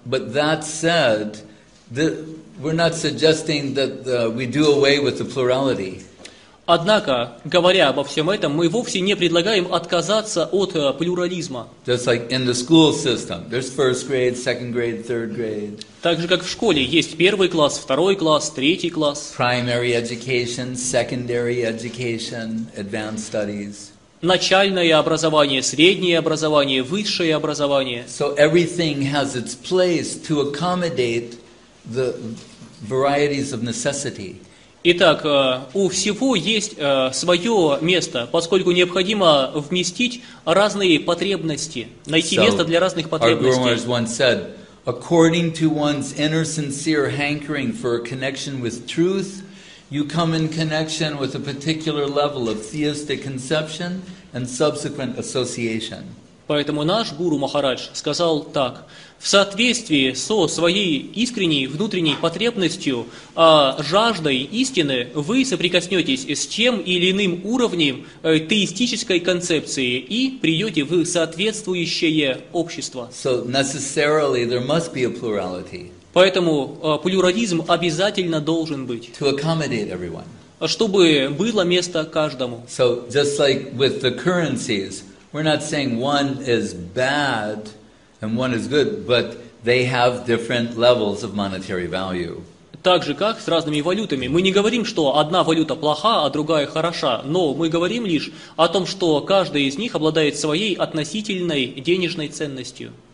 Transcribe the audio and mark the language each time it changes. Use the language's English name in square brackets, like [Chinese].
[English] But that said, we're not suggesting that we do away with the plurality. [Russian] Однако, говоря обо всем этом, мы вовсе не предлагаем отказаться от плюрализма. [English] Just like in the school system, there's first grade, second grade, third grade. [Russian] Так же, как в школе, есть первый класс, второй класс, третий класс. [English] Primary education, secondary education, advanced studies. [Russian] Начальное образование, среднее образование, высшее образование. [English] So everything has its place to accommodate the varieties of necessity. [Russian] Итак, у всего есть свое место, поскольку необходимо вместить разные потребности, найти место для разных потребностей. [English] Our Guru Maharaj once said, according to one's inner sincere hankering for a connection with truth, you come in connection with a particular level of theistic conception and subsequent association. [Russian] Поэтому наш Гуру Махарадж сказал так: в соответствии со своей искренней внутренней потребностью, жаждой истины, вы соприкоснетесь с тем или иным уровнем теистической концепции и придете в соответствующее общество. [English] So necessarily there must be a plurality. [Russian] Поэтому плюрализм обязательно должен быть. [English] To accommodate everyone. [Russian] Чтобы было место каждому. [English] So just like with the currencies, we're not saying one is bad and one is good, but they have different levels of monetary value. [Russian] Так же, как с разными валютами. Мы не говорим, что одна валюта плоха, а другая хороша, но мы говорим лишь о том, что каждая из них обладает своей относительной денежной ценностью.